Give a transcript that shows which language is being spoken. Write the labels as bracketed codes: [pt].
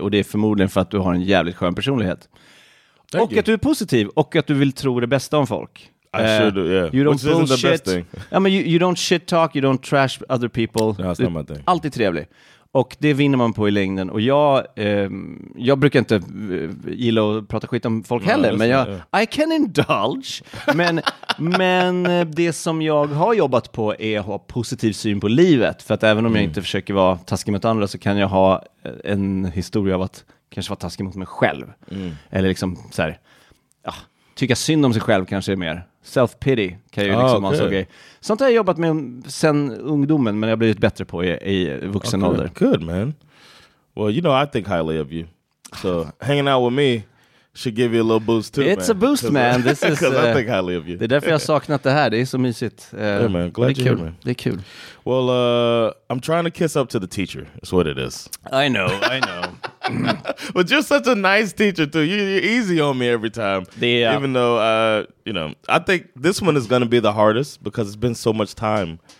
[sv] Och det är förmodligen för att du har en jävligt skön personlighet. [en] Thank [sv] och [en] you. [sv] Att du är positiv och att du vill tro det bästa om folk. [en] I sure do, yeah. Which isn't the best thing. I mean, you don't shit talk, you don't trash other people. No, that's not my thing. [sv] Alltid trevlig. Och det vinner man på i längden. Och jag brukar inte gilla att prata skit om folk heller. No, men jag, yeah. [en] I can indulge. [sv] Men det som jag har jobbat på är att ha positiv syn på livet. För att även om jag inte försöker vara taskig mot andra så kan jag ha en historia av att kanske vara taskig mot mig själv. Eller liksom så här, ja, tycka synd om sig själv kanske är mer. Self-pity kan ju liksom vara en sån grej. Sånt har jag jobbat med sen ungdomen, men jag har blivit bättre på i vuxen ålder. [en] Good, man. Well, you know, I think highly of you. So, hanging out with me should give you a little boost too, It's a boost, man. This is I think highly of you. [sv] Det är därför jag saknat det här. Det är så mysigt. [en] Yeah, man. Glad you're here, man. [sv] Det är kul. [en] Well, I'm trying to kiss up to the teacher. That's what it is. I know. But you're such a nice teacher too. You're easy on me every time. Even though I think this one is going to be the hardest because it's been so much time.